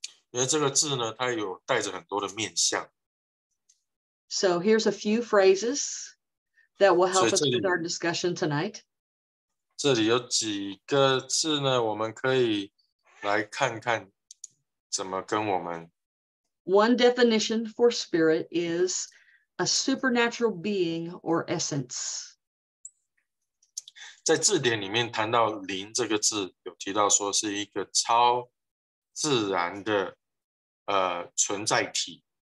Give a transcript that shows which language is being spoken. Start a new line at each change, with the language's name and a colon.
Chinese: 因为这个字呢,它有带着很多的面向。
English: So here's a few phrases that will help us with our discussion tonight.
Chinese: 这里有几个字呢,我们可以来看看怎么跟我们。
English: One definition for spirit is a supernatural being or essence.
Chinese: 在字典里面谈到灵这个字,有提到说是一个超自然的存在体。